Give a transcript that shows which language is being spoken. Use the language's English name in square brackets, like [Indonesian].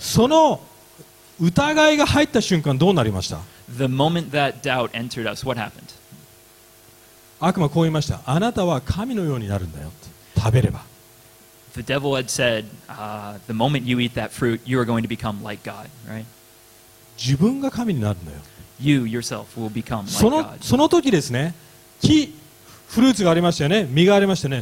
[Japanese] その疑いが入った瞬間どうなりました? [English] The moment that doubt entered us, what happened? [Japanese] 悪魔こう言いました。あなたは神のようになるんだよって。食べれば。 [English] The devil had said, the moment you eat that fruit, you are going to become like God, right? [Japanese] 自分が神になるんだよ。 [English] You yourself will become like その、 God. [Japanese] その時ですね、木フルーツがありましたよね。実がありましたよね。